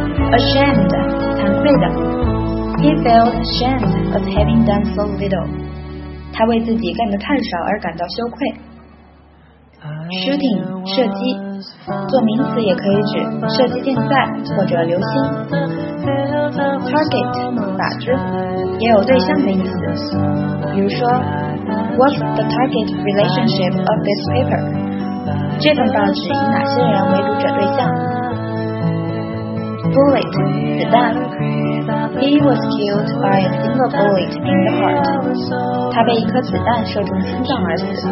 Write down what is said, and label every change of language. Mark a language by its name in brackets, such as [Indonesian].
[English] Ashamed, [Chinese] 惭愧的。 [English] He felt ashamed of having done so little. [Chinese] 他为自己干得太少而感到羞愧。 [English] Shooting, 射击。 [Chinese] 做名词也可以指射击竞赛或者流星。 Target, 靶子。也有对象的意思。比如说， [English] What's the target relationship of this paper? [Chinese] 这份报纸以哪些人为读者对象？ [English] Bullet, 子弹。 He was killed by a single bullet in the heart. [Chinese] 他被一颗子弹射中心脏而死。